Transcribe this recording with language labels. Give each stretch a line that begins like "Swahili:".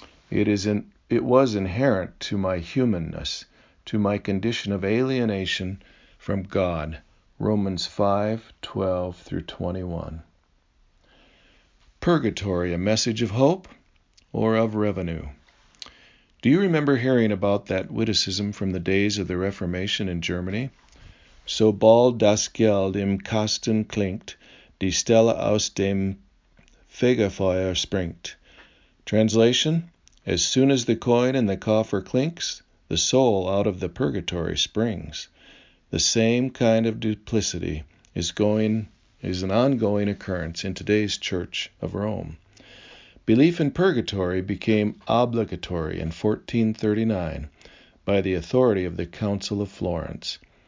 English: It was inherent to my humanness, to my condition of alienation from God. Romans 5:12-21. Purgatory, a message of hope or of revenue? Do you remember hearing about that witticism from the days of the Reformation in Germany?
German: So bald das Geld im Kasten klingt, die Stelle aus dem Fegefeuer springt.
English: Translation, as soon as the coin in the coffer clinks, the soul out of the purgatory springs. The same kind of duplicity is an ongoing occurrence in today's Church of Rome. Belief in purgatory became obligatory in 1439 by the authority of the Council of Florence.